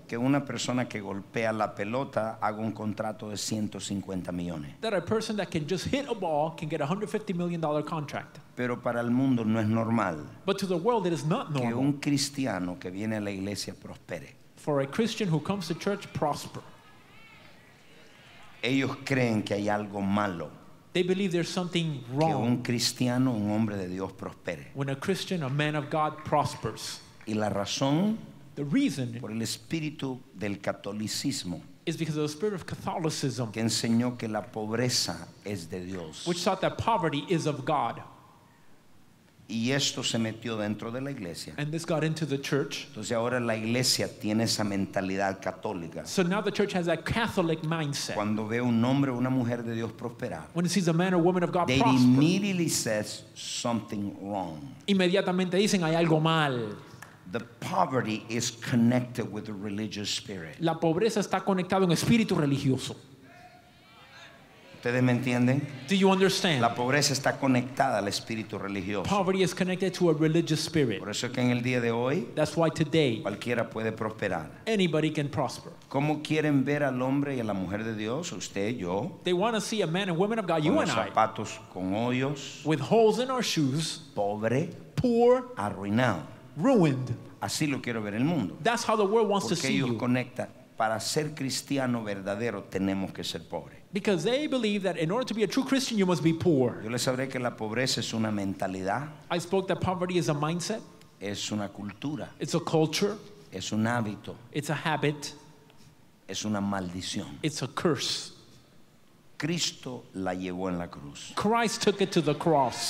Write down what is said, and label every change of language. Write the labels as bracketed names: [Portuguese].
[Spanish] que una persona que golpea la pelota haga un contrato de 150 millones. [English] That a person that can just hit a ball can get a $150 million contract. [Spanish] Pero para el mundo no es normal, [English] but to the world it is not normal, [Spanish] que un cristiano que viene a la iglesia prospere. [English] For a Christian who comes to church, prosper. [Spanish] Ellos creen que hay algo malo. [English] They believe there's something wrong. [Spanish] Que un cristiano, un hombre de Dios, prospere. [English] When a Christian, a man of God, prospers. [Spanish] Y la razón, [English] the reason, [Spanish] por el espíritu del catolicismo, [English] is because of the spirit of Catholicism, [Spanish] que enseñó que la pobreza es de Dios, [English] which taught that poverty is of God. [Spanish] Y esto se metió dentro de la iglesia. [English] And this got into the church. [Spanish] Entonces ahora la iglesia tiene esa mentalidad católica. [English] So now the church has that Catholic mindset. [Spanish] Cuando ve un hombre o una mujer de Dios prosperar, [English] when it sees a man or woman of God they prosper, immediately says something wrong. [Spanish] Inmediatamente dicen hay algo mal. [English] The poverty is connected with the religious spirit. [Spanish] La pobreza está conectada en espíritu religioso. ¿Ustedes me entienden? [English] Do you understand? [Spanish] La pobreza está conectada al espíritu religioso. [English] Poverty is connected to a religious spirit. [Spanish] Por eso es que en el día de hoy, [English] that's why today, [Spanish] cualquiera puede prosperar. [English] Anybody can prosper. [Spanish] ¿Cómo quieren ver al hombre y a la mujer de Dios? Usted, yo. [English] They want to see a man and woman of God, you and I. [Spanish] Con zapatos con hoyos. [English] With holes in our shoes. [Spanish] Pobre. [English] Poor. [Spanish] Arruinado. [English] Ruined. [Spanish] Así lo quiero ver el mundo. [English] That's how the world wants to see you. [Spanish] Porque ellos conectan. Para ser cristiano verdadero tenemos que ser pobre. [English] Because they believe that in order to be a true Christian, you must be poor. [Spanish] Yo les sabré que la pobreza es una mentalidad. [English] I spoke that poverty is a mindset. [Spanish] Es una cultura. [English] It's a culture. [Spanish] Es un hábito. [English] It's a habit. [Spanish] Es una maldición. [English] It's a curse. [Spanish] Cristo la llevó en la cruz. [English] Christ took it to the cross.